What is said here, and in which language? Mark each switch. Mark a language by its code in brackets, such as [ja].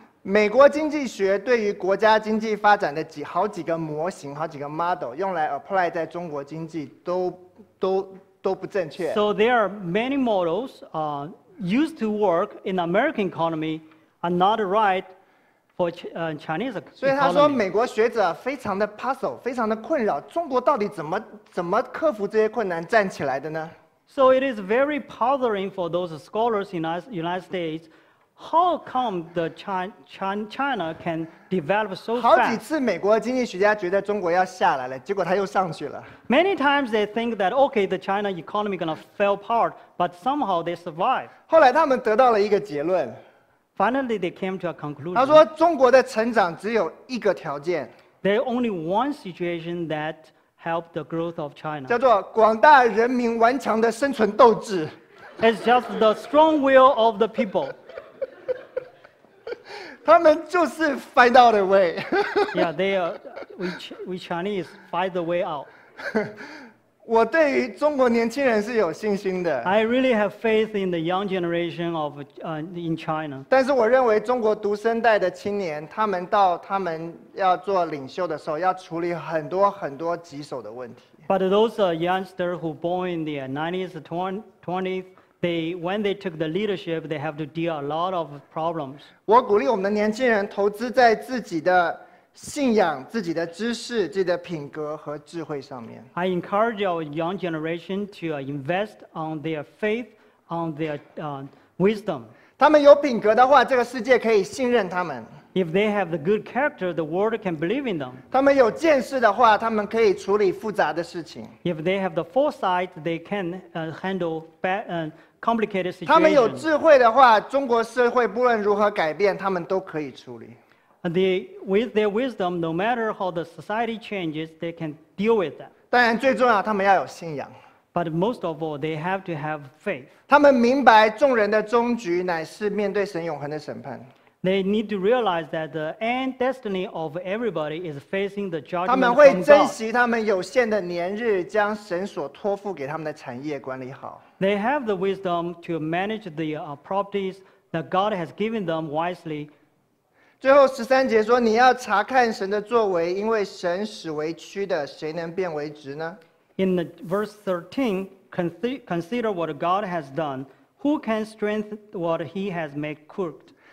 [zh] 美国经济学对于国家经济发展的好几个模型、好几个 model 用来 apply 在中国经济都不正确。 [en] So there are many models used to work in American economy are not right for Chinese economy. [zh] 所以他说美国学者非常的 puzzle， 非常的困扰，中国到底怎么克服这些困难站起来的呢？ [en] So it is very puzzling for those scholars in the United States. How come the China can develop so fast? [zh] 好几次美国经济学家觉得中国要下来了，结果他又上去了。 [en] Many times they think that okay, the China economy gonna fall apart, but somehow they survive. [zh] 后来他们得到了一个结论。 [en] Finally, they came to a conclusion. [zh] 他说中国的成长只有一个条件。 [en] There's only one situation that helped the growth of China. [zh] 叫做广大人民顽强的生存斗志。 [en] It's just the strong will of the people. [zh] 他们就是 [en] find out a way. Yeah, they are, we Chinese find the way out. [zh] 我对于中国年轻人是有信心的。 [en] I really have faith in the young generation of in China. [zh] 但是我认为中国独生代的青年，他们到他们要做领袖的时候，要处理很多很多棘手的问题。 [en] But those youngsters who born in the 90s, 20s,When they took the leadership, they have to deal a lot of problems. [zh] 我鼓励我们的年轻人投资在自己的信仰、自己的知识、自己的品格和智慧上面。 [en] I encourage our young generation to invest on their faith, on their wisdom. [zh] 他们有品格的话，这个世界可以信任他们。 [en] If they have the good character, the world can believe in them. [zh] 他们有见识的话，他们可以处理复杂的事情。 [en] If they have the foresight, they can handle bad, complicated situations. [zh] 他们有智慧的话，中国社会不论如何改变，他们都可以处理。 [en] With their wisdom, no matter how the society changes, they can deal with that. [zh] 当然，最重要，他们要有信仰。 [en] But most of all, they have to have faith. [zh] 他们明白众人的终局乃是面对神永恒的审判。 [en] They need to realize that the end destiny of everybody is facing the judgment of God. [zh] 他们会珍惜他们有限的年日，将神所托付给他们的产业管理好。 [en] They have the wisdom to manage the properties that God has given them wisely. [zh] 最后十三节说：“你要查看神的作为，因为神使为曲的，谁能变为直呢？” [en] In the verse 13, consider what God has done. Who can strengthen what He has made crooked?